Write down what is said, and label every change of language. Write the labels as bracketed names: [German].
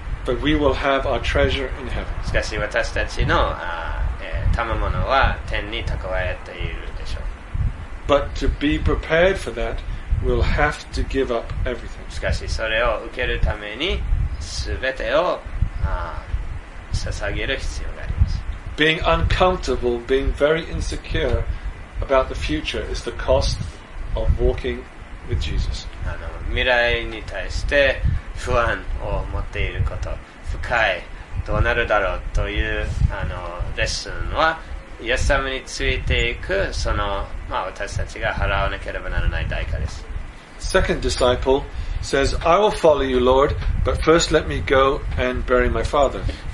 [English] But we will have our treasure in heaven. [Japanese] しかし私たちの賜物は天に蓄えているでしょう。 [English] But to be prepared for that, we'll have to give up everything. [Japanese] しかしそれを受けるためにすべてを捧げる必要があります。 [English] Being uncomfortable, being very insecure. About the future is the cost of walking with Jesus. [Japanese] 未来に対して不安を持っていること、不快、どうなるだろうというレッスンは、イエス様についていくその、まあ、私たちが払わなければならない代価です。 [English] Second disciple says, I will follow you, Lord, but first let me go and bury my father.